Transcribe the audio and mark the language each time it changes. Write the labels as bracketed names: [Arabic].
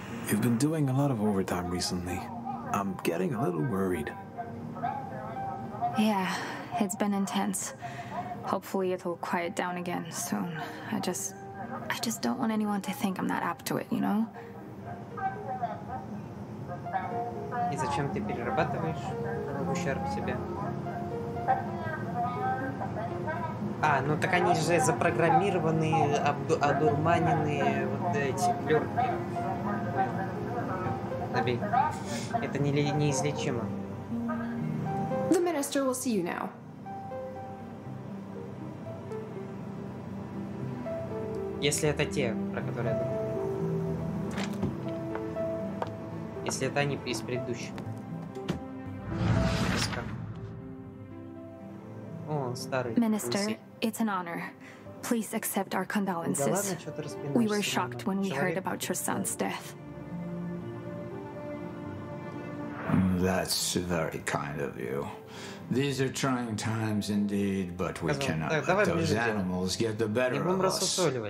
[English] You've been doing a lot of overtime recently. I'm getting a little worried. Yeah. It's been intense. Hopefully it'll quiet down again soon. I just don't want anyone to think I'm not up to it, you know? [Russian] И зачем ты перерабатываешь в ущерб себе? А, ну так они же запрограммированные, одурманенные вот эти плёрки. Забей. Это неизлечимо. [English] The minister will see you now. [Russian] Если это те, про которые я думаю. Если это они из предыдущего. О, он старый. [English] Minister, it's an honor. Please accept our condolences. [Russian] Да ладно, что ты распинаешься. [English] We were shocked when we heard about your son's death. That's very kind of you. These are trying times indeed, but we cannot let those animals get the better of us.